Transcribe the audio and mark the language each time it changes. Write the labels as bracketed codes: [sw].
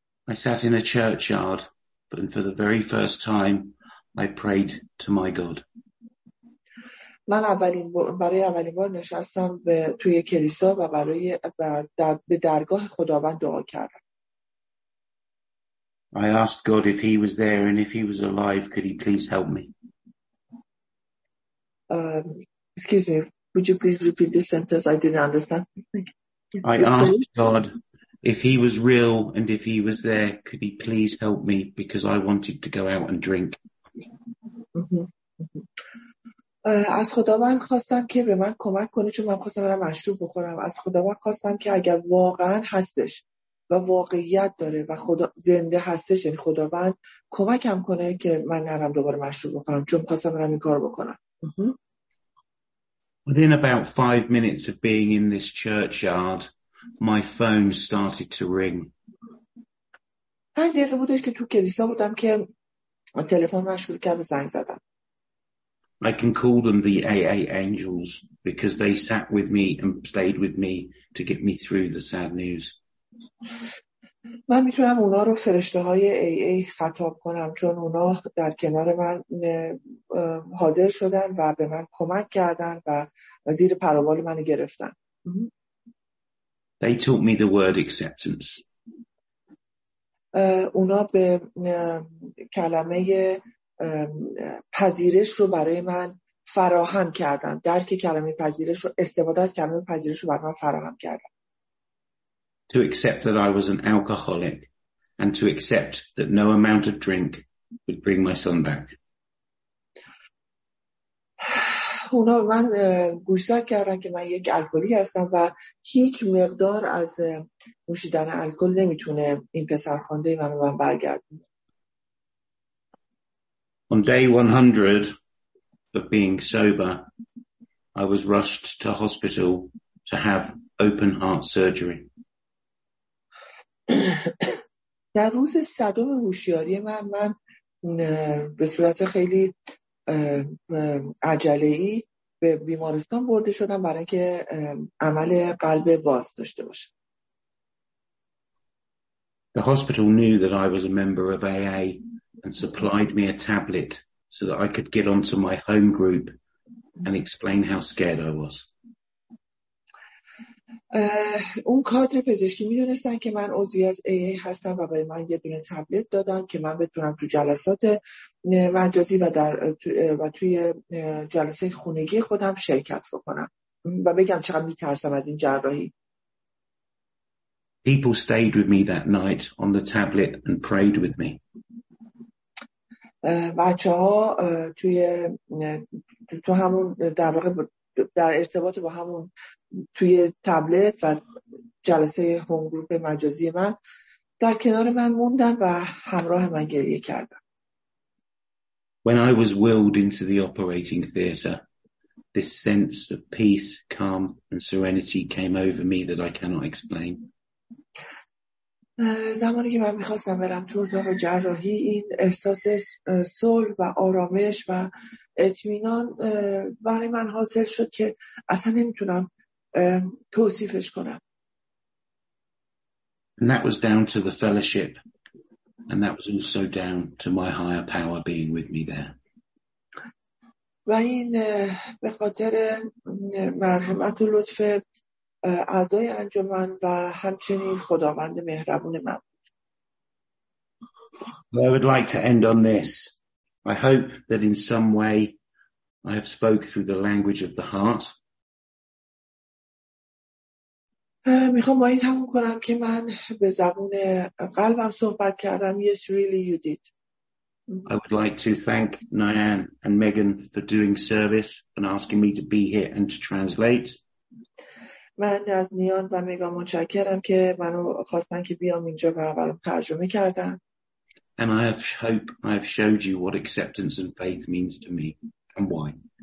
[en] I sat in a churchyard and for the very first time I prayed to my God. [fa] من اولین برای اولین بار نشستم به توی کلیسا و برای به درگاه خداوند دعا کردم. [en] I asked God if he was there and if he was alive could he please help me? Excuse me, would you please repeat the sentence? I didn't understand. I asked God if he was real and if he was there could he please help me because I wanted to go out and drink. [fa] از خداوند خواستم که به من کمک کنه چون من خواستم برم مشروب بخورم. از خداوند خواستم که اگر واقعا هستش و واقعیت داره و خدا زنده هستش یعنی خداوند کمکم کنه که من نرم دوباره مشروب بخورم چون خواستم برم این کارو بکنم. [en] Within about 5 minutes of being in this churchyard my phone started to ring. [fa] 5 دقیقه بودش که تو کلیسا بودم که تلفن من شروع کرد به زنگ زدن. [en] I can call them the AA angels because they sat with me and stayed with me to get me through the sad news. [fa] من میتونم اونا رو فرشته‌های AA خطاب کنم چون اونا در کنار من حاضر شدن و به من کمک کردن و زیر پروبال منو گرفتن. [en] They taught me the word acceptance. [fa] اونا به کلمه پذیرش رو برای من فراهم کردن. درک کلمه پذیرش رو استفاده از کلمه پذیرش رو برای من فراهم کردن. [en] To accept that I was an alcoholic and to accept that no amount of drink would bring my son back. [fa] اونا من گوشزد کردن که من یک الکلی هستم و هیچ مقدار از نوشیدن الکل نمیتونه این پسر خوانده من رو برگردونه. [en] On day 100 of being sober, I was rushed to hospital to have open heart surgery. [fa] در روز 100 هوشیاری من به صورت خیلی عجله‌ای به بیمارستان برده شدم برای که عمل قلب باز داشته باشم. [en] The hospital knew that I was a member of AA. And supplied me a tablet so that I could get onto my home group and explain how scared I was. [fa] اون کادر پزشکی میدونستن که من عضوی از AA هستم و برای من یه دونه تبلت دادن که من بتونم تو جلسات مجازی و در و توی جلسه خونگی خودم شرکت بکنم و بگم چقدر میترسم از این جراحی. [en] People stayed with me that night on the tablet and prayed with me. [fa] بچه‌ها توی تو همون در واقع در ارتباط با همون توی تبلت و جلسه هوم گروپ مجازی من در کنار من موندن و همراه من گریه کردن. [en] When I was wheeled into the operating theater, this sense of peace, calm and serenity came over me that I cannot explain. [fa] زمانی که من میخواستم برم تو اتاق جراحی این احساس صلح و آرامش و اطمینان برای من حاصل شد که اصلا نمیتونم توصیفش کنم. [en] And that was down to the fellowship and that was also down to my higher power being with me there. [fa] و این به خاطر مرحمت و لطف اعضای انجمن و همچنین خداوند مهربون من. [en] I would like to end on this. I hope that in some way I have spoke through the language of the heart. [fa] میخوام با این تموم کنم که من به زبان قلبم صحبت کردم. [en] Yes, really, you did. I would like to thank Nyan and Megan for doing service and asking me to be here and to translate. [fa] من از نیان و میگا متشکرم که منو خواستن که بیام اینجا و برام ترجمه کردن. [en] And I have hope I have showed you what acceptance and faith means to me and why.